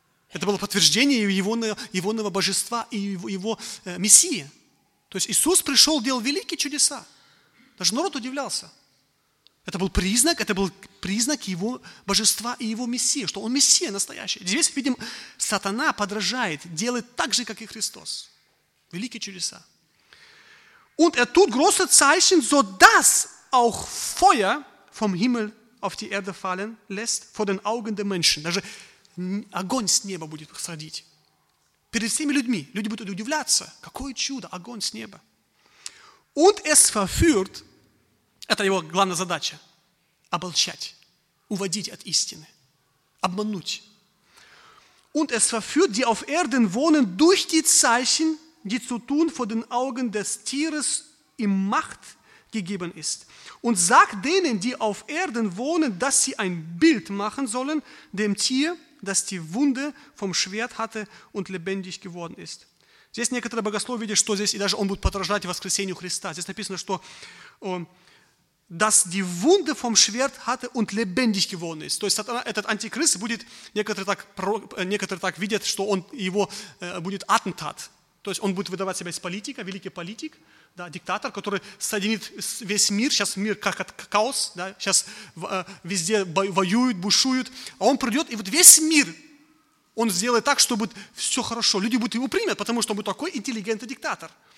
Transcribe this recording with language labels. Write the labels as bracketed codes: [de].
[ru] Это было подтверждение его божества и его мессии. То есть Иисус пришел, делал великие чудеса. Даже народ удивлялся. Это был признак его божества и его мессии, что он мессия настоящий. Здесь, видим, сатана подражает, делает так же, как и Христос. Великие чудеса. [de] Und er tut große Zeichen, so dass auch Feuer vom Himmel auf die Erde fallen lässt vor den Augen der Menschen. [ru] Даже огонь с неба будет сходить. Перед всеми людьми. Люди будут удивляться. Какое чудо, огонь с неба. [de] Und es verführt, [ru] это его главная задача, оболчать, уводить от истины, обмануть. [de] Und es verführt, die auf Erden wohnen, durch die Zeichen, die zu tun vor den Augen des Tieres in Macht gegeben ist. Und sagt denen, die auf Erden wohnen, dass sie ein Bild machen sollen, dem Tier, das die Wunde vom Schwert hatte und lebendig geworden ist. [ru] Здесь некоторые богословы видят, что здесь, и даже он будет подражать воскресению Христа. Здесь написано, что [de] dass die Wunde vom Schwert hatte und lebendig geworden ist. [ru] То есть сатана, этот антихрист будет, некоторые так видят, что он, его будет аттентат. То есть он будет выдавать себя из политика, великий политик, да, диктатор, который соединит весь мир, сейчас мир как каос, да, сейчас везде воюют, бушуют, а он придет, и вот весь мир он сделает так, чтобы все хорошо, люди будут его примут, потому что он будет такой интеллигентный диктатор.